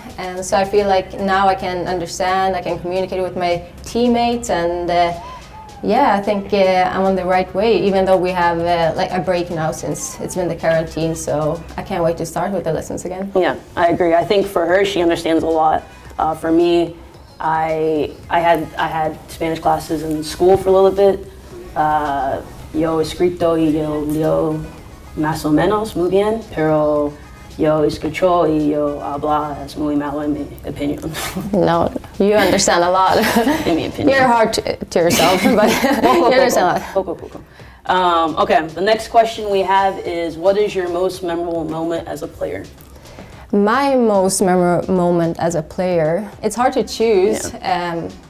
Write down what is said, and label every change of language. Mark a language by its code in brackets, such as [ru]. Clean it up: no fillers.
[en] And so I feel like now I can understand, I can communicate with my teammates, and I think I'm on the right way, even though we have like a break now since it's been the quarantine, so I can't wait to start with the lessons again. Yeah, I agree. I think for her, she understands a lot. For me, I had Spanish classes in school for a little bit. [es] Yo escrito y yo leo más o menos muy bien, pero yo escucho y yo habla es muy malo en mi opinión. [en] No, you understand a lot. In my opinion. You're hard to yourself, but you understand a lot. Okay, the next question we have is, what is your most memorable moment as a player? My most memorable moment as a player, it's hard to choose. Yeah.